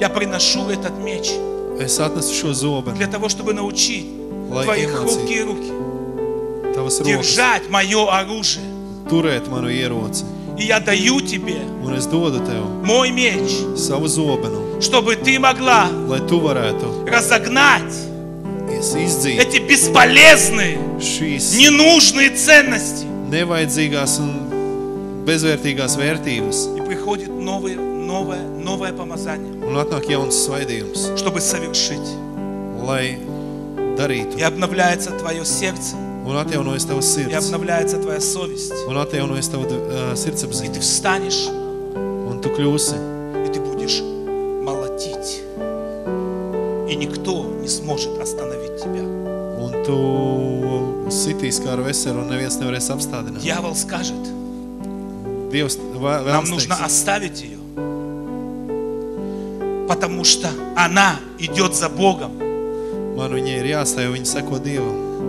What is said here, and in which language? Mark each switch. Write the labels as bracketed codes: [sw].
[ru] Я приношу этот меч для того, чтобы научить твои хрупкие руки держать мое оружие. [lv] Turēt manu ieroci. [ru] И я даю тебе [lv] Un es dodu tev [ru] мой меч, [lv] savu zobenu, [ru] чтобы ты могла [lv] lai tu varētu [ru] разогнать эти бесполезные, [lv] šīs [ru] ненужные ценности. [lv] Nevajadzīgās un bezvērtīgās vērtības. [ru] И приходит новое новое помазание. [lv] Un atnāk jauns svaidījums. [ru] Чтобы совершить. [lv] Lai darītu. [ru] И обновляется твое сердце. [lv] Un atjaunojas tava sirds. [ru] И обновляется твоя совесть. [lv] Un atjaunojas tava sirdsapziņa. [ru] И ты встанешь. [lv] Un tu kļūsi. [ru] И ты будешь молотить. И никто не сможет остановить тебя. [lv] Un tu sitīs kā ar veseru, un neviens nevarēs apstādināt. [ru] Дьявол скажет. [lv] Dievs [ru] vēl Нам нужно оставить ее. Потому что она идет за Богом. [lv] Man viņa ir jāstāja, viņa seko Dievam.